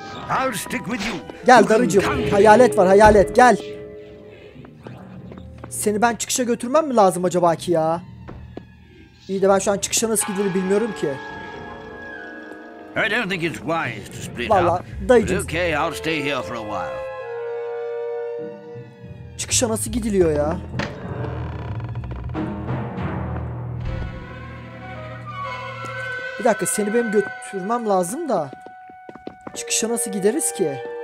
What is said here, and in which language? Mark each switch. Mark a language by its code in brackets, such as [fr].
[en] I'll stick with you. [tr] Gel darıcığım, hayalet var, hayalet, gel. Seni ben çıkışa götürmem mi lazım acaba ki ya? İyi de ben şu an çıkışa nasıl gidiyor bilmiyorum ki. [en] I don't think it's wise to split up. [tr] Vallahi dayıcığım. [en] Okay, I'll stay here for a while. [tr] Çıkışa nasıl gidiliyor ya? Bir dakika, seni benim götürmem lazım da çıkışa nasıl gideriz ki?